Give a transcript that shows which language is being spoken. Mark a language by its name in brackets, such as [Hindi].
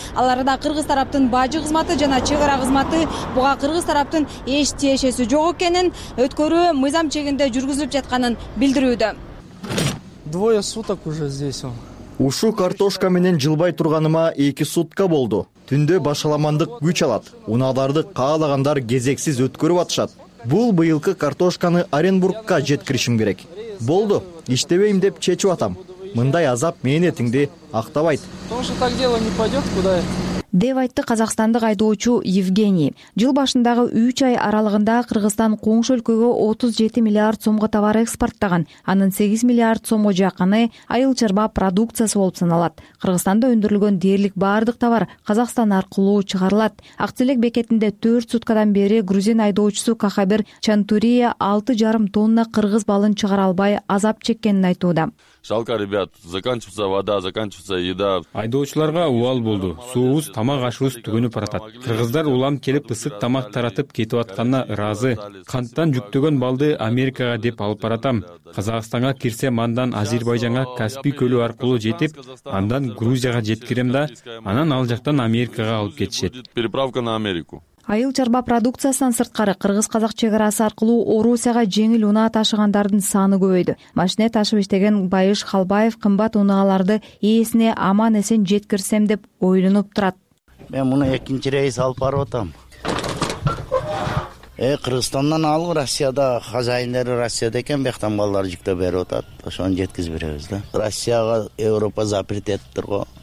[Kyrgyz] Аларда кыргыз тараптын бажы кызматы жана чек ара кызматы, буга кыргыз тараптын эч тиешеси жок экенин, өткөрүү мыйзам чегинде жүргүзүлүп жатканын билдирүүдө. [Russian] Двое суток уже здесь. [Kyrgyz] Ушу картошка менен жылбай турганыма 2 сутка болду. Түндө башаламандык күч алат. Унааларды каалагандар кезексиз өткөрүп атышат. Бул быйылкы картошканы Оренбургка жеткиришим керек. Болду, иштебейм деп чечип атам. Мындай азап менин этиңди актабайт. Деп айтты казакстандык айдоочу Евгений. Жыл башындагы 3 ай аралыгында Кыргызстан коңшу өлкөгө 37 миллиард сомго товар экспорттаган. Анын 8 миллиард сомго жакыны айыл чарба продукциясы болуп саналат. Кыргызстанда өндүрүлгөн дээрлик баардык товар Казакстан аркылуу чыгарылат. Ак тилек бекетинде 4 суткадан бери грузин айдоочусу Кахабер Чантурия 6,5 тонна кыргыз балын чыгара албай азап чеккенин айтууда. [Russian] Жалко, ребят, заканчивается вода, заканчивается еда. [Kyrgyz] Айдоочуларга убал болду. Суубуз, тамак ашыбыз түгүнүп баратат. Кыргыздар улам келип ысык тамак таратып кетип атканына ыраазы. Канттан жүктөгөн балды Америкага деп алып баратам. Казакстанга кирсе мандан Азербайжанга Каспий көлү аркылуу жетип, андан Грузияга жеткирем да, анан ал жактан Америкага алып кетишет. [Russian] Переправка на Америку. [Kyrgyz] Айыл чарба продукциясынан сырткары кыргыз-казак чек арасы аркылуу Орусияга жеңил унаа ташыгандардын саны көбөйдү. Машине ташып иштеген Байыш Халбаев кымбат унааларды ээсине аман эсен жеткирсем деп ойлонуп турат. Мен муну экинчи рейс алып барып атам. Кыргызстандан алып Россияда хозяиндери Россияда экен, бияктан балдар жүктөп берип атат. Ошону жеткизбейбиз да. Россияга Европа запрет этип турго.